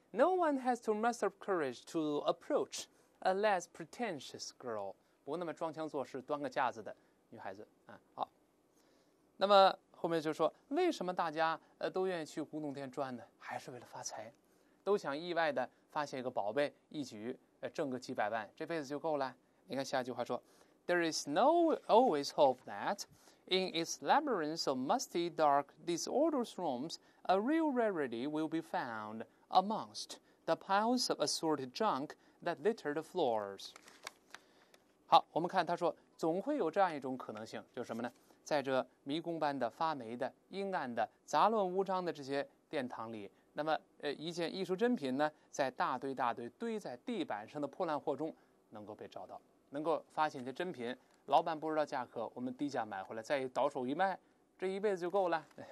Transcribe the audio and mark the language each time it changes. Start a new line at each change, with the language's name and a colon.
English: No one has to muster up courage to approach a less pretentious girl，
Chinese: 不那么装腔作势端个架子的女孩子啊。好，那么后面就说，为什么大家都愿意去古董店转呢？还是为了发财，都想意外的发现一个宝贝，一举挣个几百万，这辈子就够了。你看下一句话说
English: There is no always hope that in its labyrinth of musty, dark, disordered rooms a real rarity will be found amongst the piles of assorted junk that litter the floors。
Chinese: 好，我们看他说总会有这样一种可能性，就是什么呢？在这迷宫般的发霉的阴暗的杂乱无章的这些殿堂里，那么一件艺术珍品呢，在大堆大堆堆在地板上的破烂货中能够被找到，能够发现一些珍品，老板不知道价格，我们低价买回来再倒手一卖，这一辈子就够了。